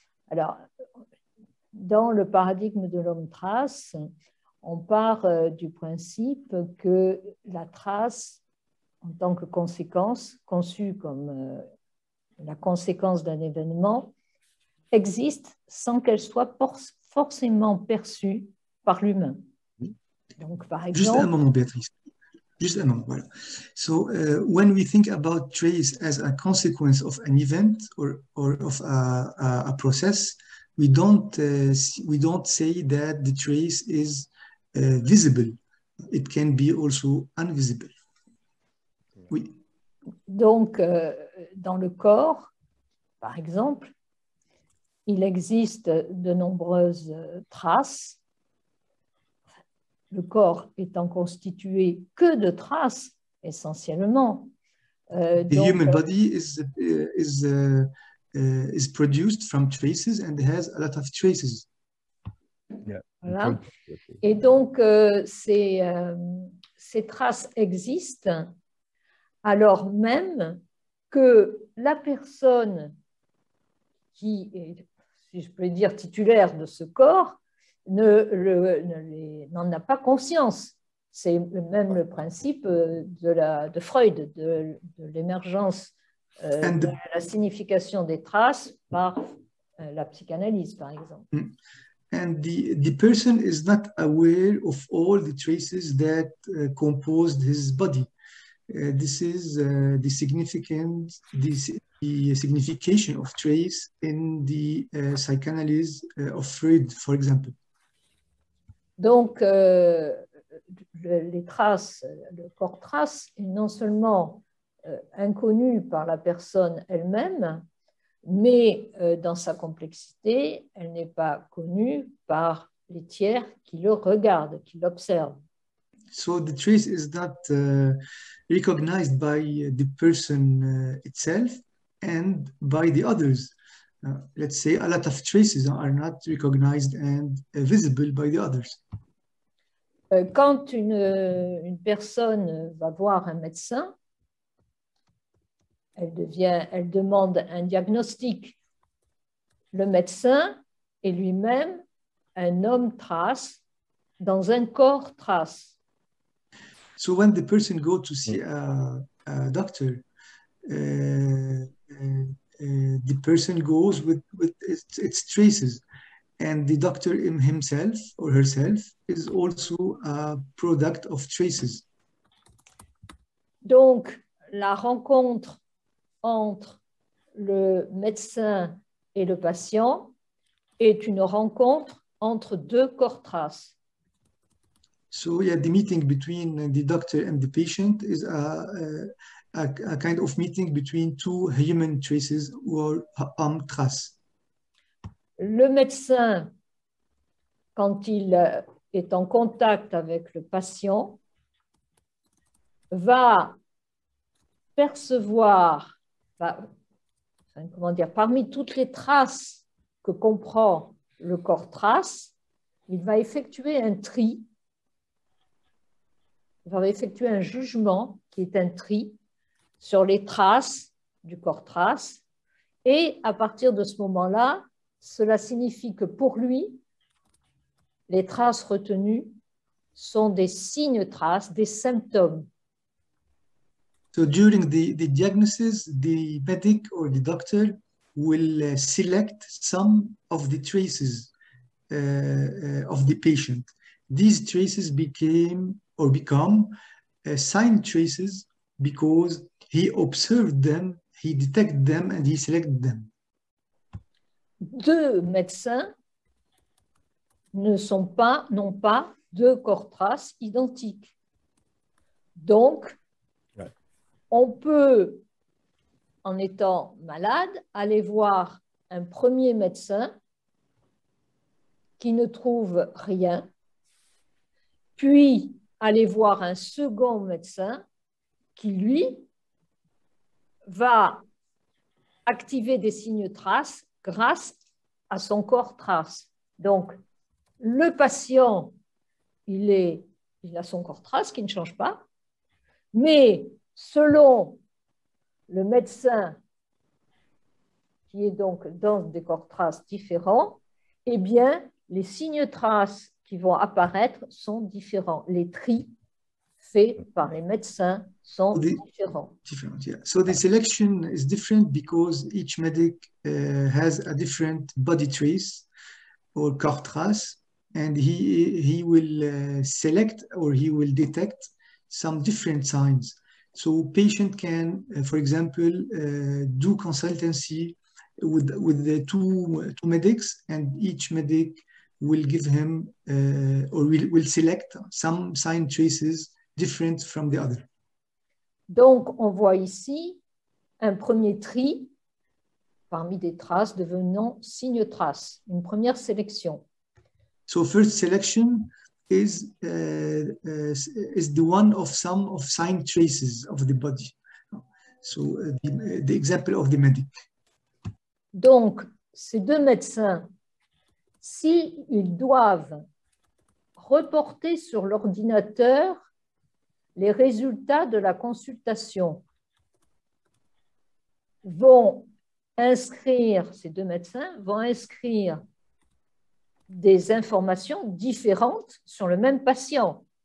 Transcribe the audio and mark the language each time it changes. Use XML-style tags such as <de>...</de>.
<fr>Alors, dans le paradigme de l'homme-trace, on part du principe que la trace, en tant que conséquence, conçue comme la conséquence d'un événement, existe sans qu'elle soit forcément perçue par l'humain. Donc, par exemple... Juste un moment, Béatrice. Juste un moment, voilà.</fr> <en>So, when we think about trace as a consequence of an event or of a process, we don't say that the trace is visible. It can be also invisible.</en> <fr>Oui. Donc, dans le corps, par exemple, il existe de nombreuses traces. Le corps étant constitué que de traces, essentiellement.</fr> <en>The human body is produced from traces and has a lot of traces. Yeah.</en> <fr>Voilà. Et donc, ces traces existent alors même que la personne qui est, si je peux dire, titulaire de ce corps, n'en a pas conscience. C'est même le principe de Freud, de l'émergence de la signification des traces par la psychanalyse, par exemple.</fr> <en>And the person is not aware of all the traces that composed his body. This is the signification of trace in the psychanalyse of Freud, for example.</en> <fr>Donc, les traces, le corps trace est non seulement inconnu par la personne elle-même, mais dans sa complexité, elle n'est pas connue par les tiers qui le regardent, qui l'observent.</fr> <en>So the trace is not recognized by the person itself and by the others. Let's say a lot of traces are not recognized and visible by the others.</en> <fr>Quand une personne va voir un médecin, elle demande un diagnostic. Le médecin est lui-même un homme trace dans un corps trace.</fr> <en>So when the person go to see a doctor, the person goes with its traces. And the doctor himself or herself is also a product of traces.</en> <fr>Donc, la rencontre entre le médecin et le patient est une rencontre entre deux corps traces.</fr> <en>So, yeah, the meeting between the doctor and the patient is a kind of meeting between two human traces or homme trace.</en> <fr>Le médecin, quand il est en contact avec le patient, va percevoir, parmi toutes les traces que comprend le corps trace, il va effectuer un tri, il va effectuer un jugement qui est un tri sur les traces du corps trace, et à partir de ce moment-là, cela signifie que pour lui, les traces retenues sont des signes traces, des symptômes.</fr> <en>So during the diagnosis, the medic or the doctor will select some of the traces of the patient. These traces became or become sign traces because he observed them, he detected them, and he selected them.</en> <fr>Deux médecins ne sont pas, n'ont pas deux corps traces identiques. Donc, on peut, en étant malade, aller voir un premier médecin qui ne trouve rien, puis aller voir un second médecin qui, lui, va activer des signes traces grâce à son corps trace. Donc, le patient, il a son corps trace qui ne change pas, mais selon le médecin qui est donc dans des corps traces différents, eh bien, les signes traces qui vont apparaître sont différents. Les tris faits par les médecins sont différents.</fr> <en>Different, yeah. So the selection is different because each medic has a different body trace or corps trace, and he will select or he will detect some different signs. So patient can, for example, do consultancy with the two medics, and each medic will give him or will select some sign traces different from the other.</en> <fr>Donc on voit ici un premier tri parmi des traces devenant signe trace, une première sélection.</fr> <en>So first selection is the one of some of sign traces of the body. So the example of the medic.</en> <fr>Donc, ces deux médecins, s'ils doivent reporter sur l'ordinateur les résultats de la consultation, vont inscrire, ces deux médecins vont inscrire des informations différentes sur le même patient.</fr>